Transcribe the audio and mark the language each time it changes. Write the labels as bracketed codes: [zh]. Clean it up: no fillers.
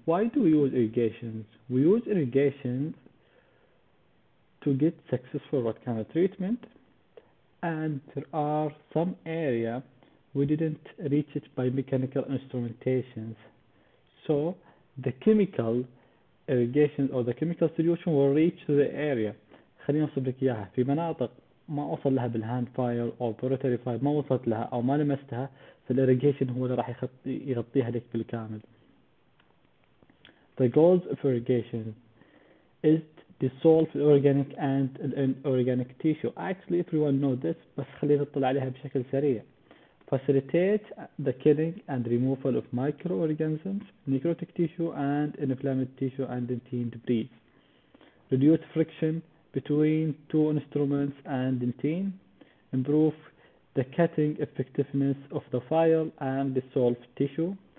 [en] Why do we use irrigations? We use irrigations to get successful root canal treatment, and there are some area we didn't reach it by mechanical instrumentations. So the chemical irrigation or the chemical solution will reach the area. [ar] خلينا نصب لك إياها في مناطق ما وصل لها بالهاند فاير أو بروتري فاير، ما وصلت لها أو ما لمستها، فالإيريجيشن هو اللي راح يغطيها لك بالكامل. [en] The goals of irrigation is dissolve organic and inorganic tissue. Actually, everyone knows this, [ar] بس خلينا نطلع عليها بشكل سريع. [en] Facilitate the killing and removal of microorganisms, necrotic tissue and inflamed tissue and dentine debris. Reduce friction between two instruments and dentine. Improve the cutting effectiveness of the file and dissolve tissue.